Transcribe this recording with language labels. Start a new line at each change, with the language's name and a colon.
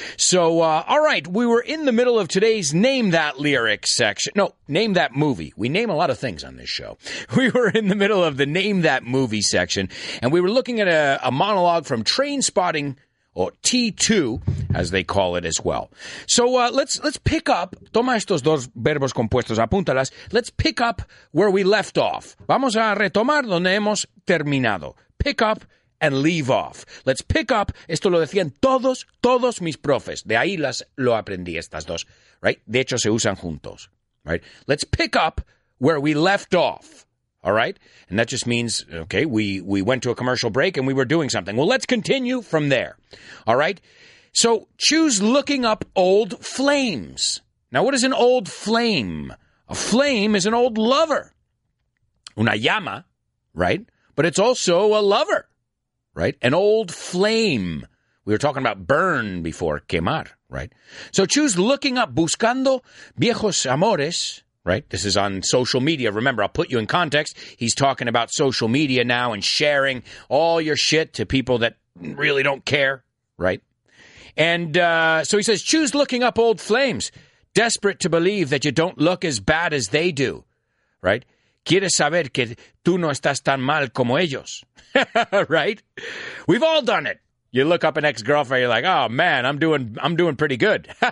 English: So, all right, we were in the middle of today's Name That Lyric section. No, Name That Movie. We name a lot of things on this show. We were in the middle of the Name That Movie section, and we were looking at a monologue from Trainspotting, or T2, as they call it as well. So let's pick up.
Spanish: Toma estos dos verbos compuestos, apúntalas.
English: Let's pick up where we left off.
Spanish: Vamos a retomar donde hemos terminado.
English: Pick up and leave off. Let's pick up.
Spanish: Esto lo decían todos mis profes. De ahí lo aprendí, estas dos. Right? De hecho, se usan juntos. Right?
English: Let's pick up where we left off. All right? And that just means, okay, we went to a commercial break and we were doing something. Well, let's continue from there. All right? So choose looking up old flames. Now, what is an old flame? A flame is an old lover.
Spanish: Una llama,
English: right? But it's also a lover. Right? An old flame. We were talking about burn before, quemar, right? So choose looking up,
Spanish: buscando viejos amores,
English: right? This is on social media. Remember, I'll put you in context. He's talking about social media now and sharing all your shit to people that really don't care, right? And so he says, choose looking up old flames, desperate to believe that you don't look as bad as they do, right?
Spanish: Quieres saber que tú no estás tan mal como ellos.
English: Right? We've all done it. You look up an ex-girlfriend, you're like, oh man, I'm doing pretty good.